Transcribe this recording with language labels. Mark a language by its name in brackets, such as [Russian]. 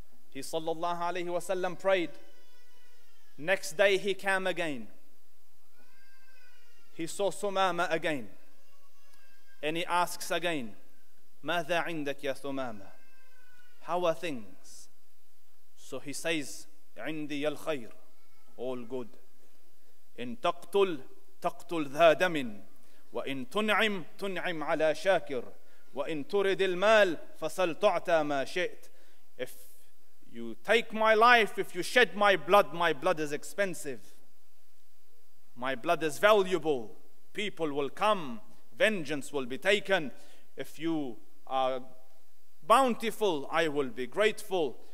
[English] He sallallahu alayhi wa sallam prayed. Next day he came again. He saw Sumama again. And he asks again, [Arabic] ماذا عندك يا ثمامة? [English] How are things? So he says, [Arabic] عندي الخير, [English] all good. [Arabic] إن تقتل تقتل ذا دم وإن تنعم تنعم على شاكر وإن ترد المال فصل تعطى ما شئت. [English] If you take my life, if you shed my blood is expensive. My blood is valuable. People will come. Vengeance will be taken. If you are bountiful, I will be grateful.